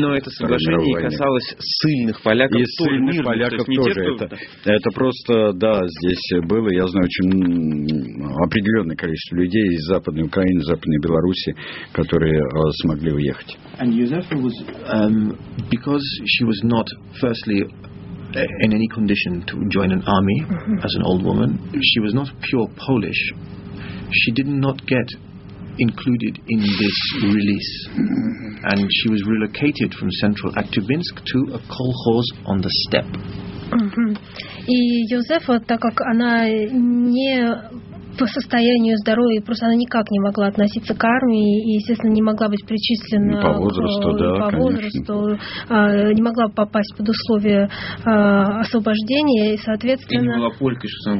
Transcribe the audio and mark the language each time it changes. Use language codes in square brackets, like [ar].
[ru] Но это соглашение касалось ссыльных поляков. И ссыльных поляков тоже. Это просто, да, здесь было, я знаю, очень определенное количество людей из Западной Украины, Западной Беларуси, которые смогли уехать. [en] And Юзефа was, because she was not, firstly, in any condition to join an army as an old woman, she was not pure Polish, she did not get included in this release, and she was relocated from central Актюбинск to a kolkhoz on the steppe. [ru] И Юзефа, так как она не по состоянию здоровья, просто она никак не могла относиться к армии, и, естественно, не могла быть причислена по возрасту, да, по возрасту, не могла попасть под условия освобождения, и, соответственно... И не была полькой, что она